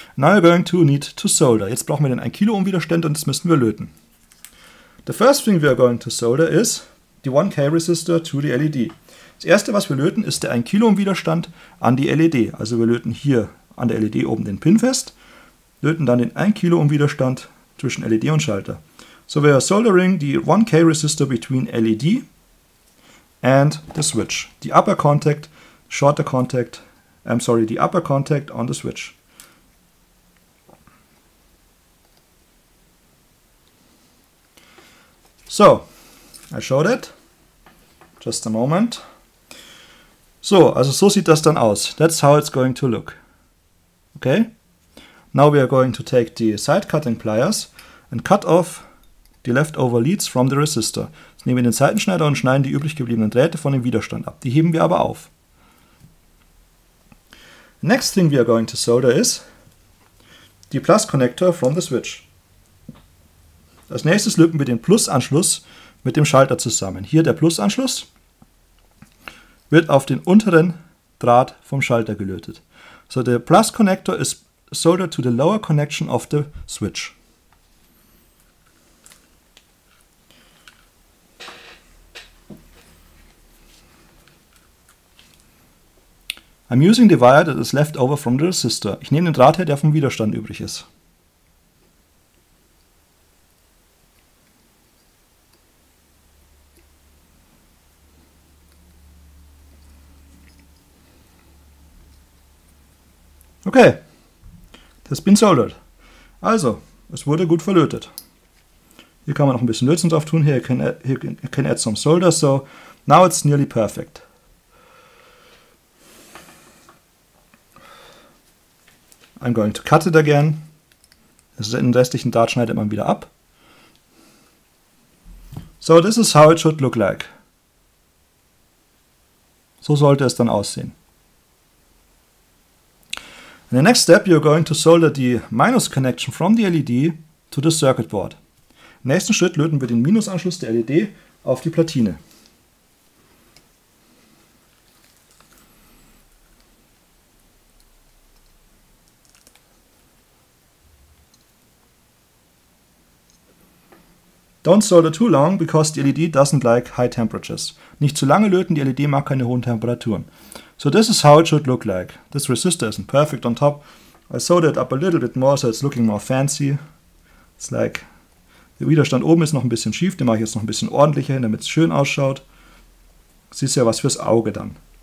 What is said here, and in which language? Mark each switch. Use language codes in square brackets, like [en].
[en] Now you're going to need to solder. [de] Jetzt brauchen wir den 1 Kilo Ohm Widerstand und das müssen wir löten. [en] The first thing we are going to solder is the 1K resistor to the LED. [de] Das erste, was wir löten, ist der 1 Kilo Ohm Widerstand an die LED. Also wir löten hier an der LED oben den Pin fest, löten dann den 1 Kilo Ohm Widerstand zwischen LED und Schalter. [en] So we are soldering the 1K resistor between LED and the switch. The upper contact, shorter contact, I'm sorry, the upper contact on the switch. So, I showed it. Just a moment. [de] So, also so sieht das dann aus. [en] That's how it's going to look. [de] Okay? [en] Now we are going to take the side cutting pliers and cut off the leftover leads from the resistor. [de] Jetzt nehmen wir den Seitenschneider und schneiden die übrig gebliebenen Drähte von dem Widerstand ab. Die heben wir aber auf. [en] Next thing we are going to solder is the plus connector from the switch. [de] Als nächstes löten wir den Plus-Anschluss mit dem Schalter zusammen. Hier der Plus-Anschluss wird auf den unteren Draht vom Schalter gelötet. [en] So the plus connector is soldered to the lower connection of the switch. I'm using the wire that is left over from the resistor. [de] Ich nehme den Draht her, der vom Widerstand übrig ist. Okay, das [en] has been soldered. [de] Also, es wurde gut verlötet. Hier kann man noch ein bisschen Lötzen drauf tun. [en] Here you can add some solder. So, now it's nearly perfect. I'm going to cut it again. [de] Den restlichen Draht schneidet man wieder ab. [en] So, this is how it should look like. [de] So sollte es dann aussehen. [en] In the next step, you're going to solder the minus connection from the LED to the circuit board. [de] Im nächsten Schritt löten wir den Minusanschluss der LED auf die Platine. [en] Don't solder too long, because the LED doesn't like high temperatures. [de] Nicht zu lange löten, die LED mag keine hohen Temperaturen. [en] So this is how it should look like. This resistor isn't perfect on top. I soldered up a little bit more, so it's looking more fancy. It's like, [de] der Widerstand oben ist noch ein bisschen schief, den mache ich jetzt noch ein bisschen ordentlicher hin, damit es schön ausschaut. Siehst ja was fürs Auge dann.